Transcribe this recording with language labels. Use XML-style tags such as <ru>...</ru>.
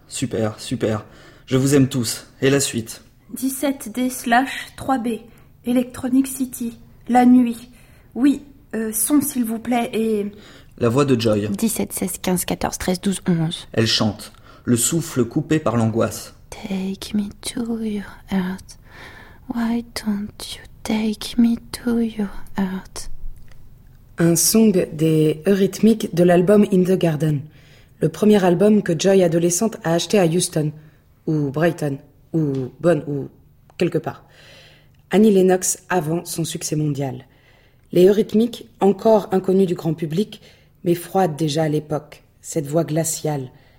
<fr>Super, super. Je vous aime tous. Et la suite. 17D/3B. Electronic City. La nuit. Oui, son s'il vous plaît et... La voix de Joy. 17, 16, 15, 14, 13, 12, 11. Elle chante. Le souffle coupé par l'angoisse.</fr> <en>Take me to your heart. Why don't you take me to your heart?</en> <fr>Un song des Eurythmics de l'album In the Garden. Le premier album que Joy, adolescente, a acheté à Houston. Ou Brighton. Ou Bonn. Ou quelque part. Annie Lennox avant son succès mondial. Les Eurythmics, encore inconnus du grand public, mais froide déjà à l'époque, cette voix glaciale.</fr>